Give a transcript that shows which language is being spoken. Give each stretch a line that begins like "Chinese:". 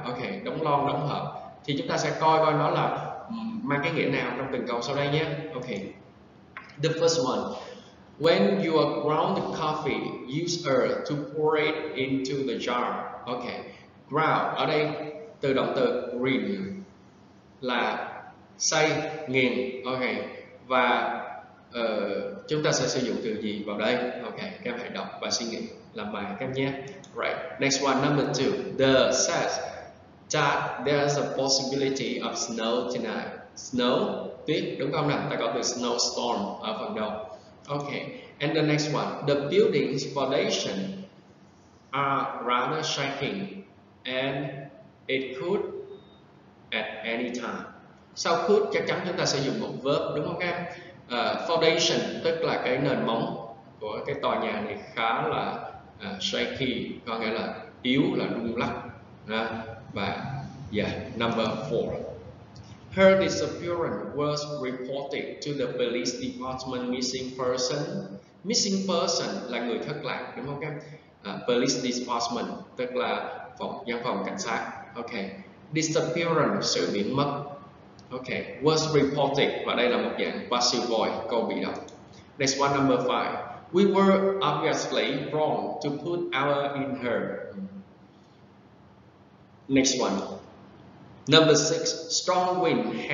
Vietnamese: Ok, đóng lon đóng hộp thì chúng ta sẽ coi nó là mang cái nghĩa nào trong từng câu sau đây nhé.
English: Ok, the first one, when you are ground the coffee, use earth to pour it into the jar.
Vietnamese: Ok, ground ở đây từ động từ grind là xay, nghiền. Ok, và chúng ta sẽ sử dụng từ gì vào đây? Ok, các em hãy đọc và suy nghĩ làm bài các em nhé.
English: Right, next one, number two, the says that there's a possibility of snow tonight.
Vietnamese: Snow, tuyết, đúng không nào? Ta có từ snowstorm ở phần đầu.
English: Ok, and the next one, the building's foundation are rather shaking and it could at any time.
Vietnamese: Sau could chắc chắn chúng ta sẽ dùng một verb, đúng không các em? Foundation tức là cái nền móng của cái tòa nhà này khá là shaky, có nghĩa là yếu, là rung lắc.
English: Và yeah, number 4. Her disappearance was reported to the police department missing person.
Vietnamese: Missing person là người thất lạc, đúng không các em? Police department tức là phòng văn phòng cảnh sát. Ok. Disappearance, sự biến mất. Ok,
English: was reported,
Vietnamese: và đây là một dạng passive voice, câu bị động.
English: Next one, number 5. We were obviously wrong to put our in her. Next one. Number 6.